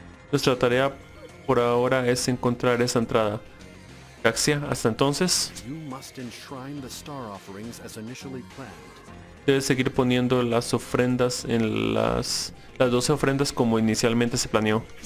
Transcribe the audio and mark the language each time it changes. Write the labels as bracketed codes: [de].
[es] Nuestra tarea por ahora es encontrar esa entrada. Gaxia, hasta entonces. [en] You must enshrine the star offerings as initially planned. [es] Debes seguir poniendo las ofrendas en las 12 ofrendas como inicialmente se planeó.